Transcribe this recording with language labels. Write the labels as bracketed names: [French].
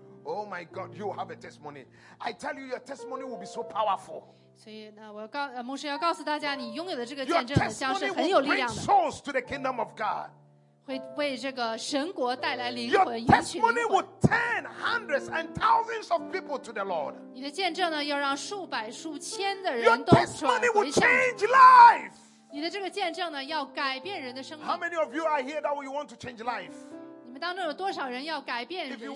[English] Oh my God, you will have a testimony. I tell you, your testimony will be so powerful. [Chinese] 所以呢，我告牧师要告诉大家，你拥有的这个见证将是很有力量的。 [English] Your testimony will bring souls to the kingdom of God. [Chinese] 会为这个神国带来灵魂，赢取灵魂。 [English] Your testimony will turn hundreds and thousands of people to the Lord. [Chinese] 你的见证呢，要让数百数千的人都转回向你。你的这个见证呢，要改变人的生命。 [English] How many of you are here that you want to change life? [Chinese] 你们当中有多少人要改变人生呢？